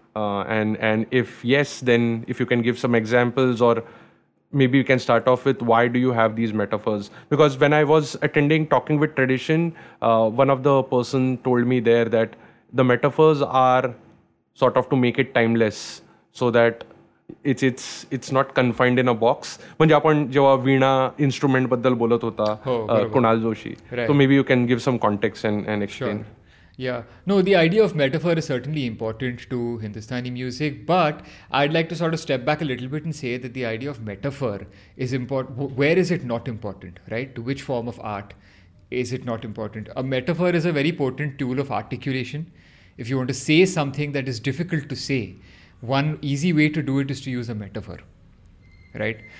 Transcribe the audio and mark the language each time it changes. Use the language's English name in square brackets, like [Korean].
[English] And if yes, then if you can give some examples, or maybe we can start off with, why do you have these metaphors? Because when I was attending Talking with Tradition, one of the person told me there that the metaphors are sort of to make it timeless, so that it's not confined in a box. [Marathi] म्हणजे आपण जेव्हा वीणा instrument बद्दल बोलत होता कुणाल जोशी, तो [English] Maybe you can give some context and explain. Yeah, no, the idea of metaphor is certainly important to Hindustani music, but I'd like to sort of step back a little bit and say that the idea of metaphor is important. Where is it not important, right? To which form of art is it not important? A metaphor is a very potent tool of articulation. If you want to say something that is difficult to say, one easy way to do it is to use a metaphor, right?